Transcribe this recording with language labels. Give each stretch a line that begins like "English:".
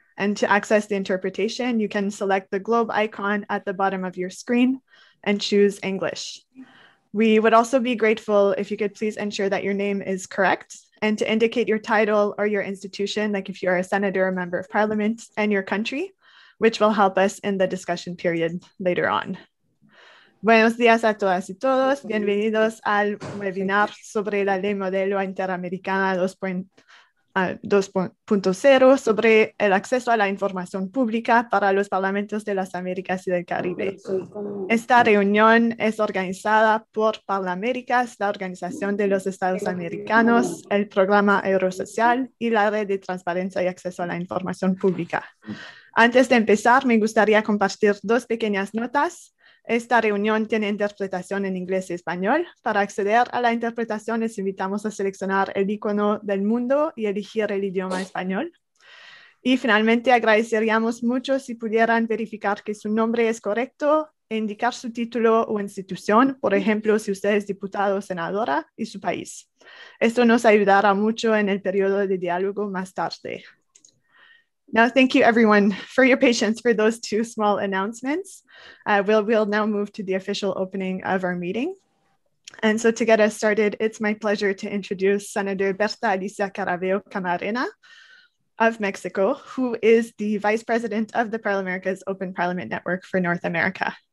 English: And to access the interpretation, you can select the globe icon at the bottom of your screen and choose English. We would also be grateful if you could please ensure that your name is correct and to indicate your title or your institution, like if you are a senator or member of parliament and your country, which will help us in the discussion period later on.
Spanish: Buenos días a todas y todos. Bienvenidos al webinar sobre la ley modelo interamericana 2.0 sobre el acceso a la información pública para los parlamentos de las Américas y del Caribe. Esta reunión es organizada por Parlaméricas, la Organización de los Estados Americanos, el Programa Eurosocial y la Red de Transparencia y Acceso a la Información Pública. Antes de empezar, me gustaría compartir dos pequeñas notas. Esta reunión tiene interpretación en inglés y español. Para acceder a la interpretación, les invitamos a seleccionar el icono del mundo y elegir el idioma español. Y finalmente, agradeceríamos mucho si pudieran verificar que su nombre es correcto e indicar su título o institución, por ejemplo, si usted es diputado o senadora y su país. Esto nos ayudará mucho en el periodo de diálogo más tarde.
English: Now, thank you everyone for your patience for those two small announcements. We'll now move to the official opening of our meeting. And so to get us started, it's my pleasure to introduce Senator Berta Alicia Caraveo Camarena of Mexico, who is the Vice President of the Parlaméricas Open Parliament Network for North America.